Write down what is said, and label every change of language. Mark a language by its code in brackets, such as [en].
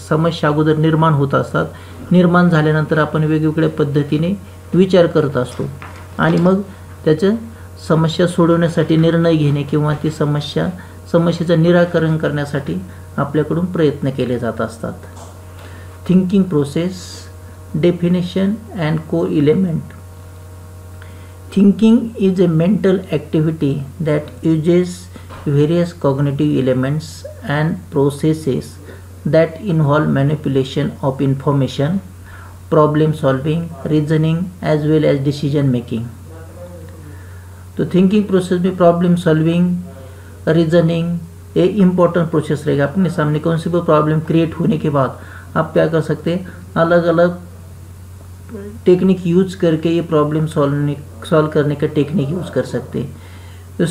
[mr] समस्या अगोदर निर्माण होत असतात, निर्माण झाल्यानंतर आपण वेगवेगळ्या पद्धतीने विचार करत असतो आणि मग त्याचं समस्या सोडवण्यासाठी निर्णय घेणे किंवा ती समस्येचं निराकरण करण्यासाठी आपल्याकडून प्रयत्न केले जात असतात। [en] Thinking process definition and co element. Thinking is a mental activity that uses various cognitive elements and processes that involve manipulation of information, problem solving, reasoning as well as decision making. [hi] तो थिंकिंग प्रोसेस में problem solving, reasoning ये important process रहेगा। अपने सामने कौन सी भी problem create होने के बाद आप क्या कर सकते हैं, अलग अलग टेक्निक यूज करके ये प्रॉब्लम सॉल्व करने का टेक्निक यूज कर सकते हैं।